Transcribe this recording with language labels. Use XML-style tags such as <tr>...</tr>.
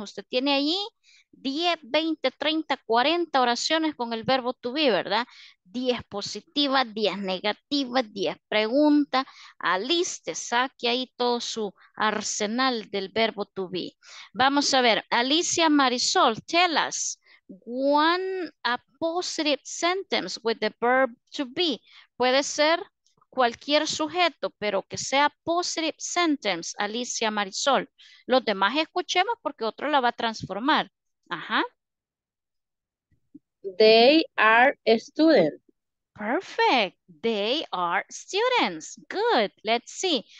<es>Usted tiene allí 10, 20, 30, 40 oraciones con el verbo to be, ¿verdad? 10 positivas, 10 negativas, 10 preguntas. Aliste, saque ahí todo su arsenal del verbo to be. Vamos a ver,</es> <en>Alicia Marisol, tell us one a positive sentence with the verb to be.</en> <es>Puede ser cualquier sujeto, pero que sea positive sentence, Alicia Marisol. Los demás escuchemos porque otro la va a transformar. Ajá.</es> <en>They are students. Perfect. They are students. Good. Let's see.</en>